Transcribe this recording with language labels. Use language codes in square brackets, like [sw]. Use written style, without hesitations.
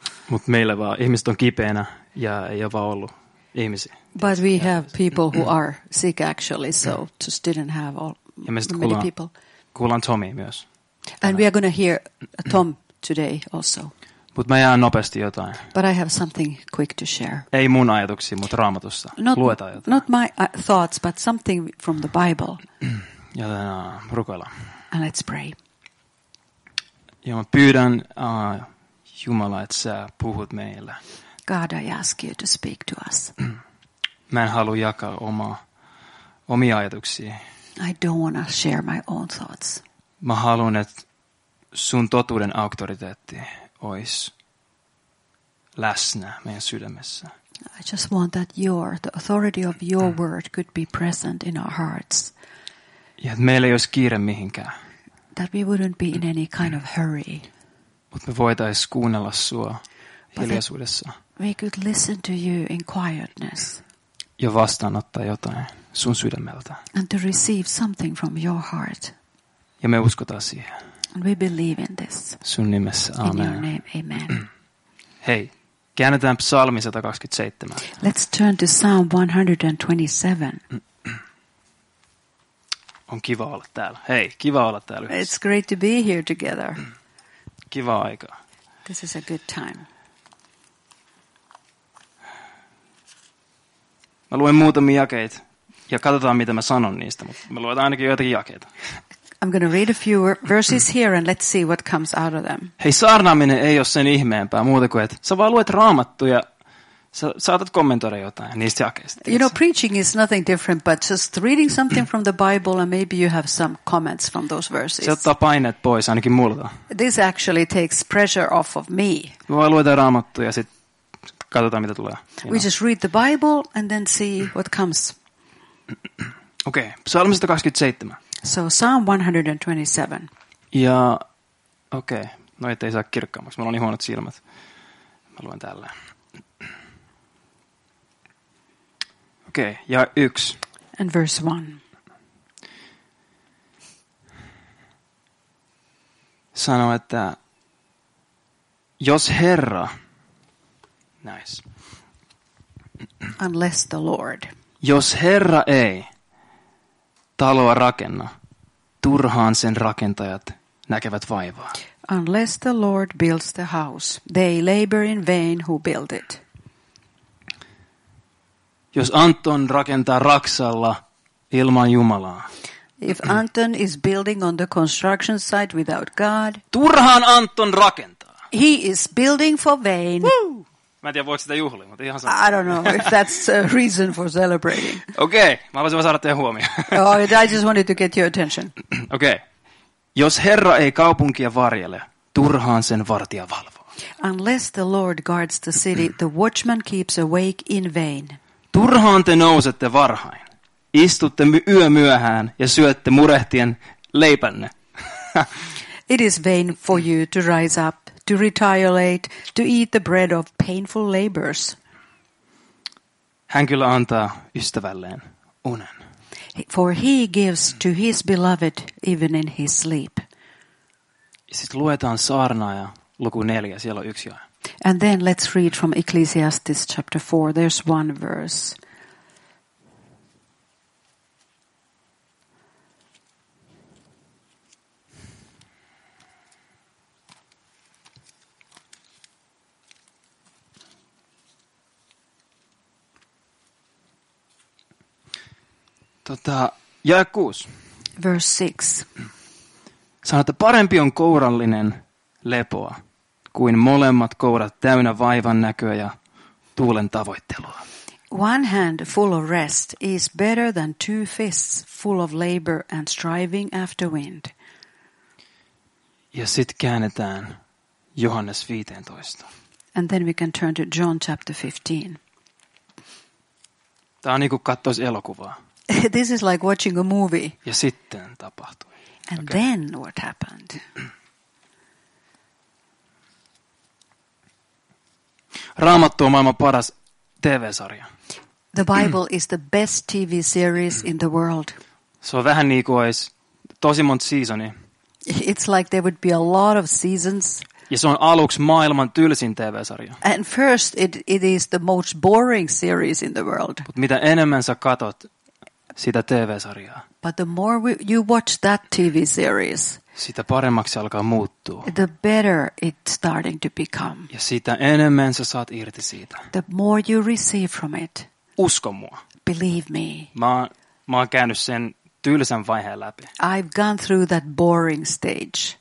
[fi] Mutta meillä vaan ihmiset on kipeänä ja ei ole vaan ollut ihmisiä. [en] But we have people who are sick actually, so just didn't have all many people. [fi] Kuullaan Tomi myös. [en] And we are going to hear Tom today also. [fi] Mutta mä jään nopeasti jotain. [en] But I have something quick to share. [fi] Ei mun ajatuksia, mutta Raamatussa. Luetaan jotain. [en] Not my thoughts, but something from the Bible. [fi] Joten rukoillaan. [en] And let's pray. [fi] Ja mä pyydän Jumala, että sä puhut meille. [en] God, I ask you to speak to us. [fi] Mä en halua jakaa omia ajatuksia. [en] I don't want to share my own thoughts. [fi] Mä haluan, että sun totuuden auktoriteetti ois läsnä meidän sydämessä. [en] I just want that the authority of your word could be present in our hearts. [fi] Ja että meillä ei olisi kiire mihinkään. [en] That we wouldn't be in any kind of hurry. [fi] Mut me voitais kuunnella sua hiljaisuudessa. [en] We could listen to you in quietness. [fi] Ja vastaanottaa jotain sun sydämeltä. [en] And to receive something from your heart. [fi] Ja me uskotaan siihen. [en] And we believe in this. [fi] Sun nimessä, amen. [en] In your name, amen. [fi] Hei, käännetään psalmi 127. [en] Let's turn to Psalm 127. [fi] On kiva olla täällä. Hei, kiva olla täällä yhdessä. [en] It's great to be here together. [fi] Kiva aika. [en] This is a good time. [fi] Mä luen muutamia jakeita ja katsotaan mitä mä sanon niistä, mutta mä luen ainakin joitakin jakeita. [en] I'm going to read a few verses here and let's see what comes out of them. [fi] Hei, saarnaaminen ei ole sen ihmeempää muuta kuin, että sä vaan luet Raamattua ja sä saatat kommentoida jotain niistä jakeista. [en] You know, preaching is nothing different, but just reading something from the Bible and maybe you have some comments from those verses. [fi] Se ottaa paineet pois, ainakin multa. [en] This actually takes pressure off of me. [fi] Mä vaan luetaan Raamattua ja sit katsotaan, mitä tulee. [en] We just read the Bible and then see what comes. [fi] Okei, psalmi 127. [en] So Psalm 127. [fi] Ja okei, no ettei saa kirkkaammaksi. Mulla on niin huonot silmät. Mä luen tällä. Okei, ja 1. [en] And verse 1. [fi] Sano, että jos Herra. [en] Nice. Unless the Lord. [fi] Jos Herra ei taloa rakenna, turhaan sen rakentajat näkevät vaivaa. [en] Unless the Lord builds the house, they labor in vain who build it. [fi] Jos Anton rakentaa Raksalla ilman Jumalaa. [en] If Anton is building on the construction site without God. [fi] Turhaan Anton rakentaa. [en] He is building for vain. Woo! [fi] Mä en tiedä, voiko sitä juhlia, mutta ihan sama. [en] I don't know if that's a reason for celebrating. [fi] Okei, mä haluaisin vaan saada teidän huomioon. [en] Oh, I just wanted to get your attention. [fi] Okei. Jos Herra ei kaupunkia varjele, turhaan sen vartija valvoo. [en] Unless the Lord guards the city, the watchman keeps awake in vain. [fi] Turhaan te nousette varhain, istutte yömyöhään ja syötte murehtien leipänne. [en] It is vain for you to rise up, to retire late, to eat the bread of painful labors. [fi] Hän kyllä antaa ystävälleen unen. [en] For he gives to his beloved even in his sleep. [fi] Sitten luetaan saarnaaja luku 4, siellä on yksi jae. [en] And then let's read from Ecclesiastes chapter 4, there's one verse. [fi] Jae 6. [en] Verse 6. [fi] Sanoo, että parempi on kourallinen lepoa kuin molemmat kourat täynnä vaivan näköä ja tuulen tavoittelua. [en] One hand full of rest is better than two fists full of labor and striving after wind. [fi] Ja sit käännetään Johannes 15. [en] And then we can turn to John chapter 15. [fi] Tää on niinku kattois elokuvaa. [en] This is like watching a movie. [fi] Ja sitten tapahtui. [en] And okay. Then what happened? [fi] Raamattu on maailman paras TV-sarja. [en] The Bible is the best TV series in the world. [fi] Se on vähän niin kuin olisi tosi monta seasonia. [en] It's like there would be a lot of seasons. [fi] Ja se on aluksi maailman tylsin TV-sarja. [en] And first it is the most boring series in the world. [fi] Mut mitä enemmän sä katot sitä TV-sarjaa. [en] But the more you watch that TV series. [fi] Sitä paremmaksi alkaa muuttua. [en] The better it's starting to become. [fi] Ja sitä enemmän sä saat irti siitä. [en] The more you receive from it. [fi] Usko mua. [en] Believe me. [fi] Mä oon käynyt sen tylsän vaiheen läpi. [en] I've gone through that boring stage.